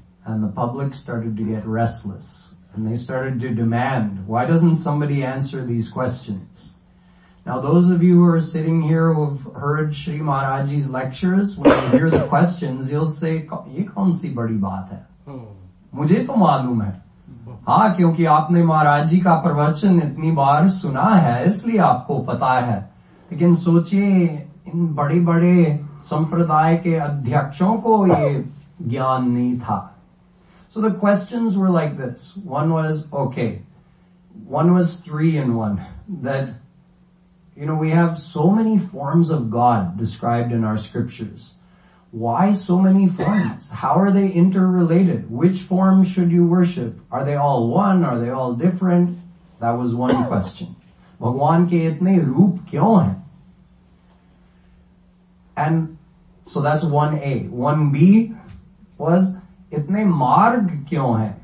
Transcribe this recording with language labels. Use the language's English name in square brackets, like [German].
[English] And the public started to get restless. And they started to demand, why doesn't somebody answer these questions? Now those of you who are sitting here who have heard Sri Maharaj's lectures, when you hear the questions, you'll say, [Hindi] ye kaun si badi baat hai? Mujhe to maloom hai. हाँ क्योंकि आपने महाराज जी का प्रवचन इतनी बार सुना है इसलिए आपको पता है. लेकिन सोचिए इन बड़े बड़े संप्रदाय के अध्यक्षों को ये ज्ञान नहीं था. [English] So the questions were like this. One was okay, one was three in one that you know we have so many forms of God described in our scriptures. Why so many forms? How are they interrelated? Which form should you worship? Are they all one? Are they all different? That was one question. [Hindi] Bhagwan ke itne roop kyon hain? [English] And so that's 1A. 1B was [Hindi] itne marg kyon hain?